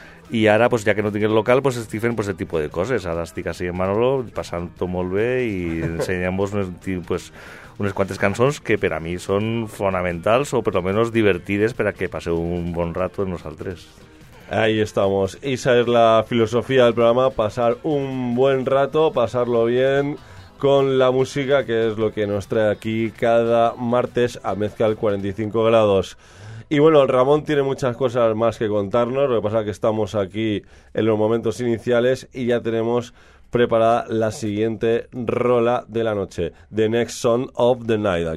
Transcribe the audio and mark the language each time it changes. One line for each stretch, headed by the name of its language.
Catalan: I ara, pues, ja que no tinc el local, pues, estic fent pues, el tipus de coses. Ara estic així en Manolo, passant-ho molt bé i ensenyant-vos unes quantes cançons que per a mi són fonamentals o per lo menos divertides per a que passeu un bon rato amb nosaltres.
Spanish: Ahí estamos. Esa es la filosofía del programa, pasar un buen rato, pasarlo bien con la música, que es lo que nos trae aquí cada martes a Mezcal 45 grados. Y bueno, Ramón tiene muchas cosas más que contarnos, lo que pasa es que estamos aquí en los momentos iniciales y ya tenemos preparada la siguiente rola de la noche,
English: The Next Song of the Night.